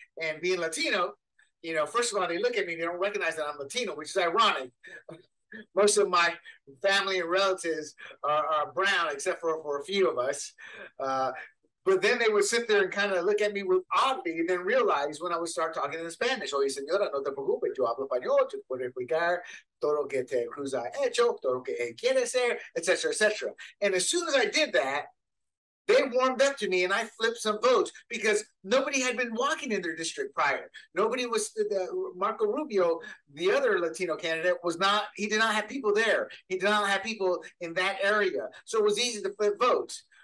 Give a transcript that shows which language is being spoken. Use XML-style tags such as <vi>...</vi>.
<en>And being Latino, you know, first of all, they look at me, they don't recognize that I'm Latino, which is ironic. Most of my family and relatives are brown, except for a few of us. But then they would sit there and kind of look at me with oddity and then realize when I would start talking in Spanish.</en> <es>Oye, señora, no te preocupes, yo hablo español, te puedo explicar todo lo que te cruz ha hecho, todo lo que quiere ser, et cetera, et cetera.</es> <en>And as soon as I did that, they warmed up to me and I flipped some votes because nobody had been walking in their district prior. Nobody was, Marco Rubio, the other Latino candidate, he did not have people there. He did not have people in that area. So it was easy to flip votes.</en>